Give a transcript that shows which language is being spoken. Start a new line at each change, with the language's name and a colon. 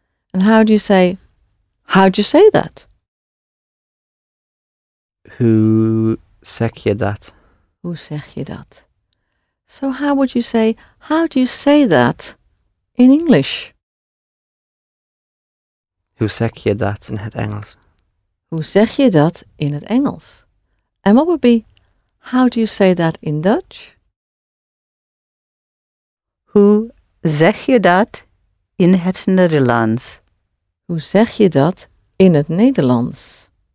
English: And how do you say, how'd you say that?
Dutch: Hoe zeg je dat? Hoe zeg je dat?
English: So how would you say, how do you say that in English?
Dutch: Hoe zeg je dat in het Engels? Hoe zeg je dat in het Engels?
English: And what would be, how do you say that in Dutch?
Dutch: Hoe zeg je dat in het Nederlands? Hoe zeg je dat in het Nederlands?